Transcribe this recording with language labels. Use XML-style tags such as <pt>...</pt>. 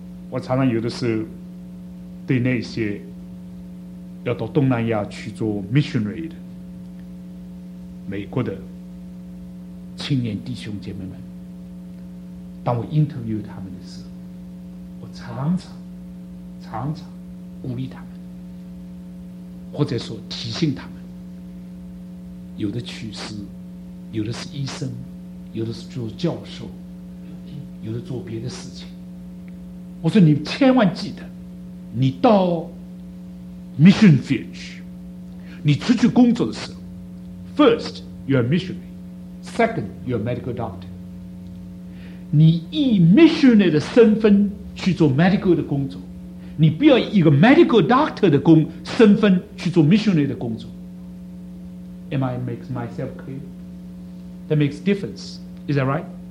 <zh>我常常有的时候对那些要到东南亚去做 missionary 的美国的青年弟兄姐妹们，当我 interview 他们的时候，我常常常常鼓励他们，或者说提醒他们，有的去世，有的是医生，有的是做教授，有的做别的事情。我说你千万记得，你到 mission field 去，你出去工作的时候</zh> <en>First, you're a missionary. Second, you're a medical doctor.</en> <zh>你以 missionary 的身份去做 medical 的工作，你不要以一个 medical doctor 的身份去做 missionary 的工作。</zh> <en>Am I makes myself clear? That makes difference. Is that right?</en>